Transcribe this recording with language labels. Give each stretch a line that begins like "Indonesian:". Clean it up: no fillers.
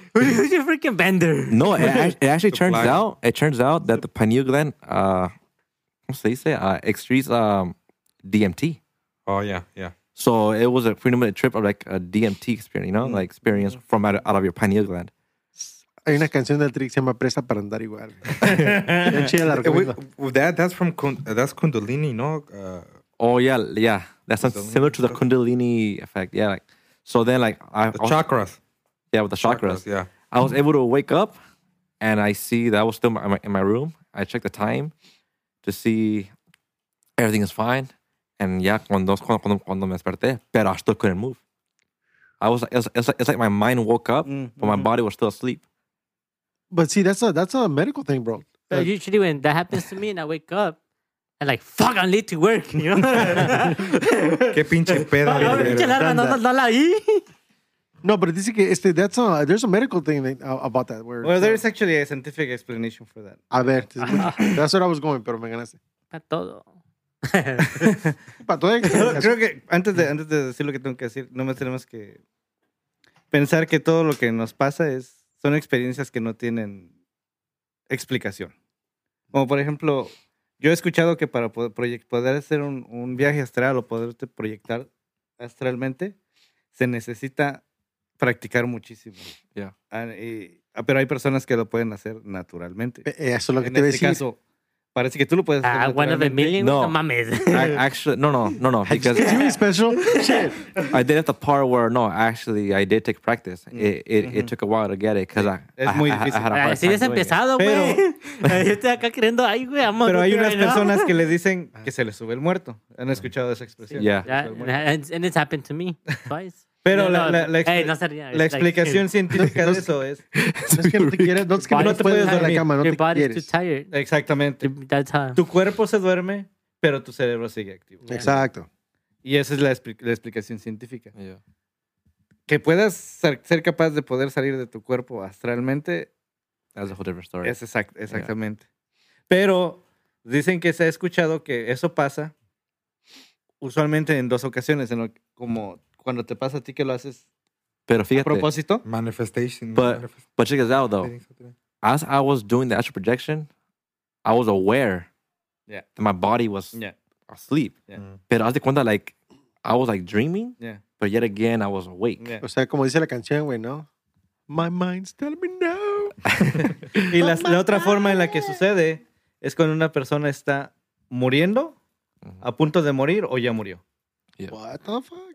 English: Who's your freaking vendor? No, it turns out that the pineal gland, excretes DMT. Oh, yeah. So it was a pretty much a trip of like a DMT experience, you know, like experience from out of your pineal gland.
Spanish: Hay una canción del Trick que se llama Presa para andar igual.
English: That's from Kundalini, no? Yeah. That's Kundalini. Similar to the Kundalini effect. Yeah. Like, so then like... Chakras. Yeah, with the chakras. Yeah. I was able to wake up and I see that I was still in my room. I checked the time to see everything is fine. And yeah,
Spanish: cuando me desperté, pero
English: I still couldn't move. I was it's like my mind woke up, but my body was still asleep. But see, that's a medical thing, bro. But usually when that happens to me and I wake up, and like, fuck, I'm late to work. You know?
Spanish: Qué pinche pedo.
English: No, but
Spanish: dice que
English: there's a medical thing about that. Where, well, there is actually a scientific explanation for that.
Spanish: A ver,
English: that's where I was going,
Spanish: pero me ganaste. Para todo. creo que antes de decir lo que tengo que decir, no más tenemos que pensar que todo lo que nos pasa son experiencias que no tienen explicación. Como por ejemplo, yo he escuchado que para poder hacer un viaje astral o poderte proyectar astralmente, se necesita practicar muchísimo. Pero hay personas que lo pueden hacer naturalmente. Eso es lo que te iba a decir. En este caso, parece que tú lo puedes hacer naturalmente.
English: One of a million?
Spanish: No. No mames. No.
English: Because you special? Shit. I did have the part where, no, actually, I did take practice. It took a while to get it because I had a hard time.
Spanish: Sí, has empezado, güey. Yo estoy acá creyendo, ay, güey, vamos. Pero hay unas personas que le dicen que se le sube el muerto. ¿Han escuchado esa expresión?
English: Yeah. And it's happened to me twice.
Spanish: Pero la explicación científica de eso es... No te puedes dormir. Exactamente. Tu cuerpo se duerme, pero tu cerebro sigue activo. Yeah. Exacto. Y esa es la explicación científica. Que puedas ser capaz de poder salir de tu cuerpo astralmente...
English: That's a whole different story.
Spanish: Exactamente. Yeah. Pero dicen que se ha escuchado que eso pasa usualmente en dos ocasiones, como... Cuando te pasa a ti que lo haces, pero fíjate, a propósito.
English: Manifestation. But check this out, though. As I was doing the astral projection, I was aware that my body was asleep. Yeah.
Spanish: Pero hazte cuenta,
English: like, I was, like, dreaming, but yet again, I was awake.
Spanish: Yeah. O sea, como dice la canción, güey, ¿no?
English: My mind's telling me no.
Spanish: Y la otra forma en la que sucede es cuando una persona está muriendo, a punto de morir, o ya murió.
English: Yeah. What the fuck?